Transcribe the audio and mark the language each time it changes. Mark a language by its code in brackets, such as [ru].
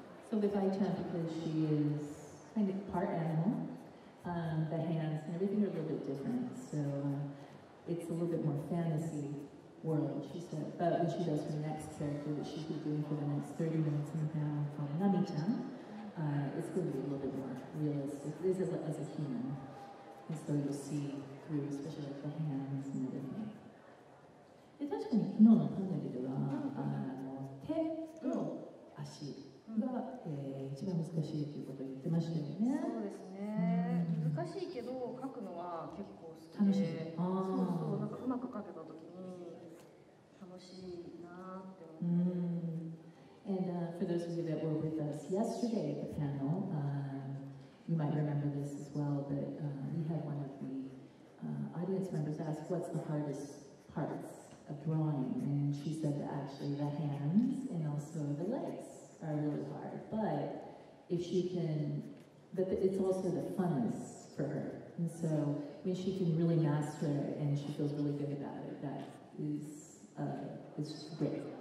[en] So with Aichan, because she is kind of part animal, the hands and everything are a little bit different, so it's a little bit more fantasy world, she said. But when she does her next character, which she's been doing for the next 30 minutes in the panel called Nami-chan, it's going to be a little bit more realistic. This is as a human, and so you'll see through, especially like the hands and everything. [ja] で確かに昨日のパネルでは、手と足が、一番難しいということを言ってましたよね。そうですね。うん、難しいけど描くのは結構好きで、楽しい。あ、そうそう、なんかうまく描けたときに楽しいなって思って。 [en] And for those of you that were with us yesterday at the panel, you might remember this as well, but we had one of the audience members ask, "What's the hardest parts?" Of drawing, and she said that actually the hands and also the legs are really hard, but if she can, but it's also the funnest for her, and so I mean she can really master it and she feels really good about it, that is just great.